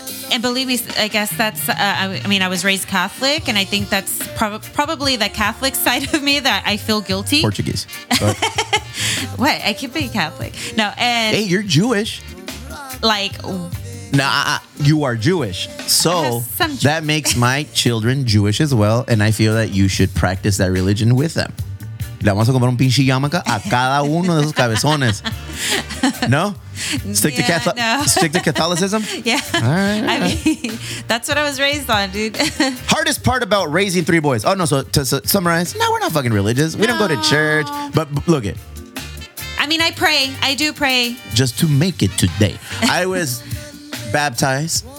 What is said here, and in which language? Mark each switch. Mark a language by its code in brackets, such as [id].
[en] And believe me, I guess that's, I was raised Catholic, and I think that's probably the Catholic side of me that I feel guilty. Portuguese. What? I keep being Catholic. No. And hey, you're Jewish. Like, nah, you are Jewish. So that makes my children Jewish as well. And I feel that you should practice that religion with them. [es] Le vamos a comprar un pinche yarmulke a cada uno de esos cabezones. No? [en] Stick to Catholicism? Yeah. All right. I mean, that's what I was raised on, dude. Hardest part about raising three boys. Oh, no. So to summarize, no, we're not fucking religious. We don't go to church. But look it. I mean, I pray. I do pray. Just to make it today. I was baptized.